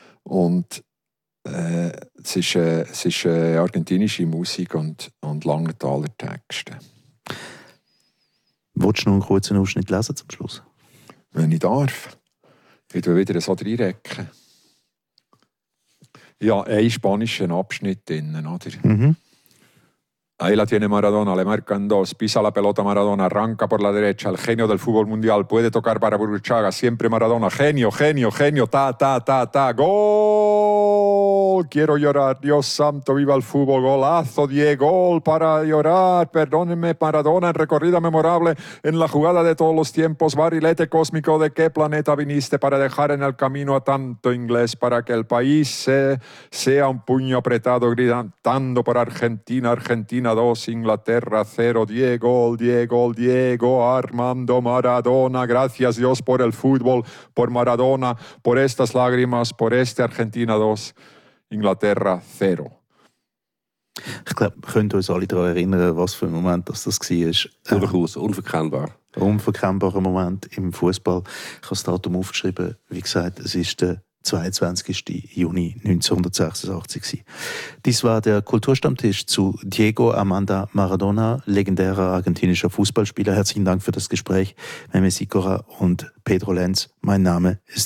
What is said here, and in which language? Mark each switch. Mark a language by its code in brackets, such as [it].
[de] Und es ist argentinische Musik und Langenthaler Texte. Wolltest du noch einen kurzen Ausschnitt lesen zum Schluss? Wenn ich darf. Ich will wieder so reinrecken. Ja, ein spanischer Abschnitt drin, oder? [es] Ahí la tiene Maradona, le marcan dos, pisa la pelota Maradona, arranca por la derecha, el genio del fútbol mundial, puede tocar para Burruchaga, siempre Maradona, genio, genio, genio, ta, ta, ta, ta, gol, quiero llorar, Dios santo, viva el fútbol, golazo, Diego, gol para llorar, perdónenme Maradona, en recorrida memorable, en la jugada de todos los tiempos, barrilete cósmico, ¿de qué planeta viniste para dejar en el camino a tanto inglés, para que el país sea un puño apretado, gritando por Argentina, Argentina? Dos, Inglaterra, cero, Diego, Diego, Diego, Armando Maradona, gracias Dios por el fútbol, por Maradona, por estas lágrimas, por este Argentina 2, Inglaterra, cero. [de] Ich glaube, wir können uns alle daran erinnern, was für ein Moment das war. Durchaus, unverkennbar. Unverkennbarer Moment im Fußball. Ich habe das Datum aufgeschrieben, wie gesagt, es ist der 22. Juni 1986. Dies war der Kulturstammtisch zu Diego Armando Maradona, legendärer argentinischer Fußballspieler. Herzlichen Dank für das Gespräch, Meme Sikora und Pedro Lenz. Mein Name ist der